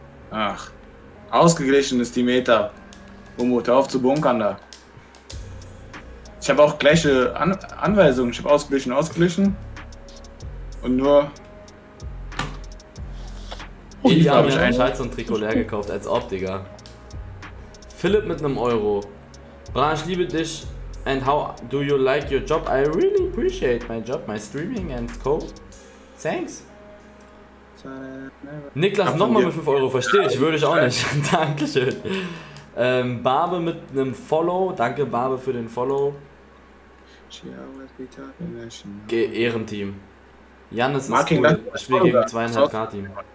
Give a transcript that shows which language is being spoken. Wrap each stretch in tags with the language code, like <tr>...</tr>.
<de>Ach, ausgeglichen ist die Meta. Umut, hör auf zu bunkern da. Ich habe auch gleiche Anweisungen. Ich habe ausgeglichen. Und nur. Oh, ich habe mir einen Schalz und Trikot leer gekauft, als ob, Digga. Philipp mit einem Euro. Bran, ich liebe dich.</de> <en>And how do you like your job? I really appreciate my job, my streaming and co. Thanks.</en> <de>Niklas, nochmal mit 5 Euro, verstehe ich, würde ich auch nicht. Dankeschön. Barbe mit einem Follow, danke Barbe für den Follow. Ehrenteam. Janis ist cool, ich spiele gegen 2,5K-Team.</de>